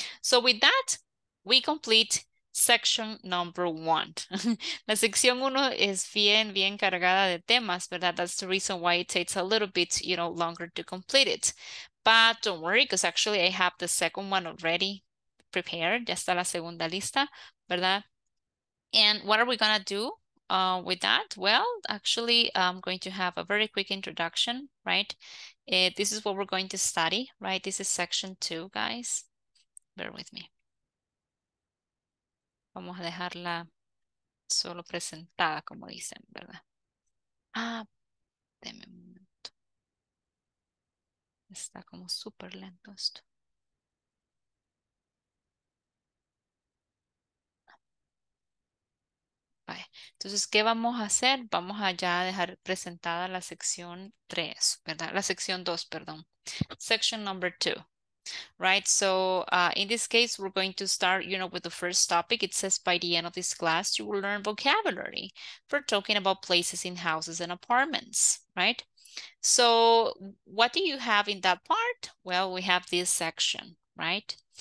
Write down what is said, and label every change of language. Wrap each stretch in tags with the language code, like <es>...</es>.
<en>So with that, we complete section number one.</en> <es>La sección uno es bien, bien cargada de temas, ¿verdad?</es> <en>That's the reason why it takes a little bit, you know, longer to complete it. But don't worry, because actually I have the second one already prepared.</en> <es>Ya está la segunda lista, ¿verdad?</es> <en>And what are we going to do with that? Well, actually, I'm going to have a very quick introduction, right? This is what we're going to study, right? This is section two, guys. Bear with me.</en> <es>Vamos a dejarla solo presentada, como dicen, ¿verdad? Ah, deme un momento. Está como súper lento esto. Entonces, ¿qué vamos a hacer? Vamos allá a dejar presentada la sección 3, ¿verdad? La sección 2, perdón.</es> <en>Section number 2, right? So, in this case, we're going to start, you know, with the first topic. It says by the end of this class, you will learn vocabulary for talking about places in houses and apartments, right? So, what do you have in that part? Well, we have this section, right?</en>